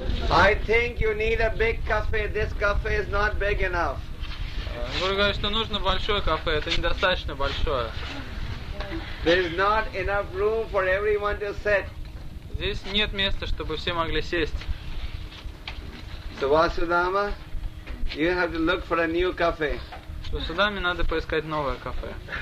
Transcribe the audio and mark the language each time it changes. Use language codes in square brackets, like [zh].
[en] I think you need a big cafe. This cafe is not big enough. [ru] Говорю, говорю, что нужно большое кафе, это недостаточно большое. [en] There's not enough room for everyone to sit. [ru] Здесь нет места, чтобы все могли сесть. [en] So Vasudama, you have to look for a new cafe. [ru] Vasudama, надо поискать новое кафе.